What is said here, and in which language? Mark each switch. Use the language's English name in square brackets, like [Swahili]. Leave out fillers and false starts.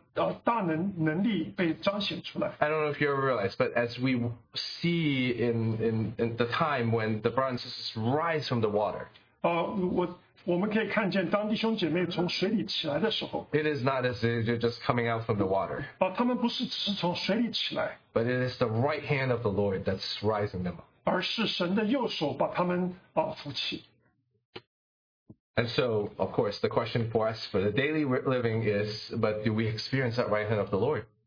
[Chinese] 好像从敬礼里头我们看见了神的奇异的大能力被彰显出来。 [English] I don't know if you ever realize, but as we see in the time when the brothers rise from the water, [Chinese] 我们可以看见当弟兄姐妹从水里起来的时候, [English] it is not as if they're just coming out from the water, [Chinese] 他们不是只是从水里起来, [English] but it is the right hand of the Lord that's rising them up, [Chinese] 而是神的右手把他们, 扶起。 [English] And so, of course, the question for us for the daily living is, but do we experience that right hand of the Lord?